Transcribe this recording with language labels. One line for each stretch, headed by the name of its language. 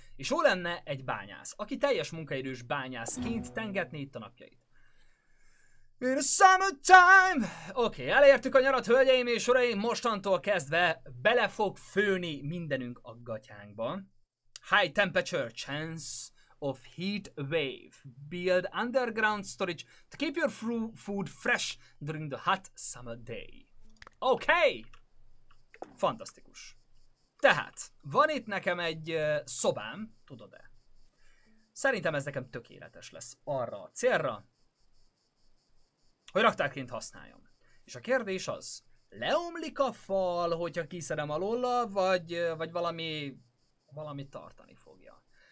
Hungarian: És jó lenne egy bányász, aki teljes munkaidős bányászként tengetné itt a napjait.
English: In the summertime!
Hungarian: Oké, elértük a nyarat, hölgyeim és uraim, mostantól kezdve bele fog főni mindenünk a gatyánkba.
English: High temperature chance of heat wave. Build underground storage to keep your food fresh during the hot summer day.
Hungarian: Okay! Fantasztikus. Tehát, van itt nekem egy szobám, tudod-e? Szerintem ez nekem tökéletes lesz arra a célra, hogy raktárként használjam. És a kérdés az, leomlik a fal, hogyha kiszedem alulla, vagy valami tartani fogja.